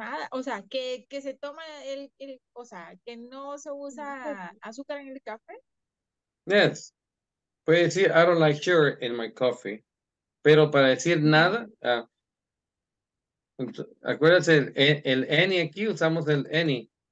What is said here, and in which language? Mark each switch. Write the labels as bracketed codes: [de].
[es] O sea, que se toma el o sea, que no se usa azúcar en el café. [en] Yes. [es] Puede decir [en] I don't like sugar in my coffee. [es] Pero para decir nada, acuérdense el any aquí usamos el any.